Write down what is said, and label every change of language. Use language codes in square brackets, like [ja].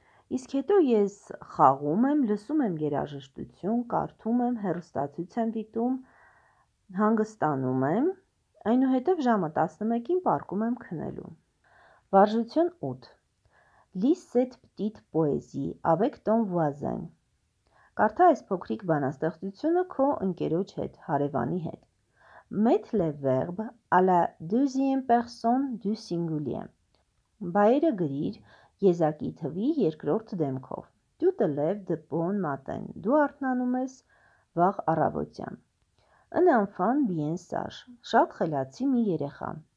[hy] Իսկ հետո ես խաղում եմ, լսում եմ երաժշտություն, կարդում եմ, հեռուստացույց եմ դիտում, հանգստանում եմ, այնուհետև ժամը 11-ին պարկում եմ քնելու։ Վարժություն 8. [fr] Lis cette petite poésie avec ton voisin. [hy] Կարդա այս փոքրիկ բանաստեղծությունը քո ընկերոջ հետ, հարևանի հետ։ [fr] Mets le verbe à la deuxième personne du singulier. [hy] Բայերը գրիր եզակի թվի երկրորդ դեմքով. [fr] Tu te lèves de bon matin. [hy] Դու արթնանում ես վաղ առավոտյան. [fr] Un enfant bien sage. [hy] Շատ խելացի մի երեխա.